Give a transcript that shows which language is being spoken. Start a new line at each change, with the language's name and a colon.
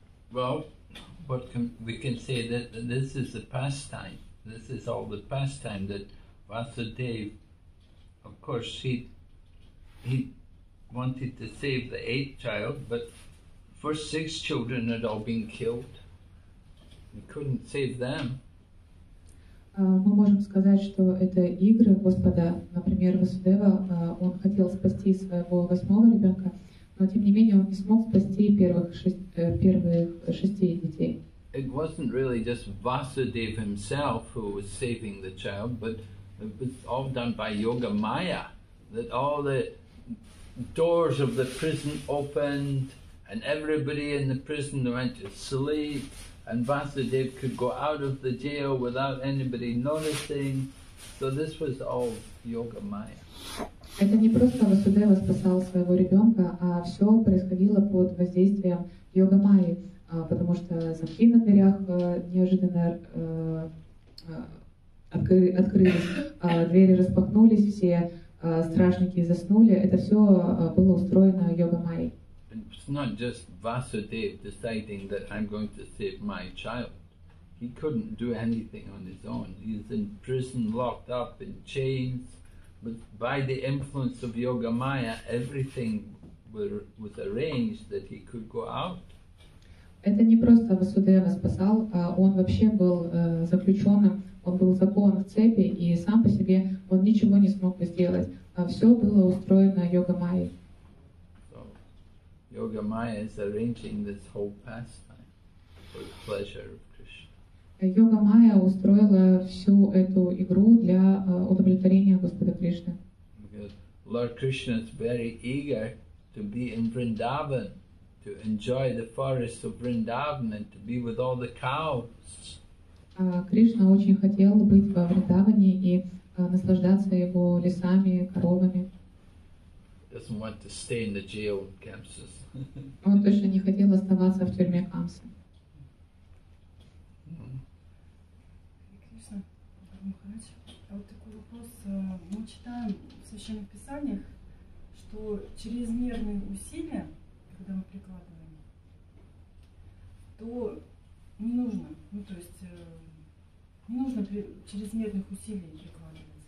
English: Well, we can say that this is the pastime. This is all the pastime that Vasudev of course, he wanted to save the eighth child, but first six children had all been killed. He couldn't save them.
Russian: Мы можем сказать, что это игры Господа. Например, Васудева, он хотел спасти своего восьмого ребенка, но тем не менее он не смог спасти первых шести детей.
English: It wasn't really just Vasudev himself who was saving the child, but it was all done by Yoga Maya, that all the doors of the prison opened and everybody in the prison went to sleep and Vasudev could go out of the jail without anybody noticing. So this was all Yoga Maya.
Russian: Это не просто Васудева спасал своего ребенка, а все происходило под воздействием Йога Майи. Потому что замки на дверях неожиданно открылись, двери распахнулись, все стражники заснули. Это все было устроено Йога Майей.
English: It's not just Vasudev deciding that I'm going to save my child. He couldn't do anything on his own. He's in prison, locked up in chains. But by the influence of Йога Майя, everything was arranged that he could go out.
Russian: Это не просто Васудева спасал, а он вообще был заключенным, он был закован в цепи, и сам по себе он ничего не смог бы сделать. А все было устроено Йога Майей.
English: So, Йога Майя is arranging this whole pastime for the pleasure of Krishna.
Russian: Йога Майя устроила всю эту игру для удовлетворения Господа Кришны.
English: Because Lord Krishna is very eager to be in Vrindavan. To enjoy the forests of Vrindavan and to be with all the cows.
Russian: Кришна очень хотел быть во Вриндаване и наслаждаться его лесами, коровами.
English: Doesn't want to stay in the jail of Kamsas.
Russian: Он точно не хотел оставаться в тюрьме Камсы. Кришна, вот такой вопрос. Мы читаем в Священных Писаниях, что чрезмерные усилия, когда мы прикладываем, то не нужно, ну то есть не нужно чрезмерных усилий прикладывать.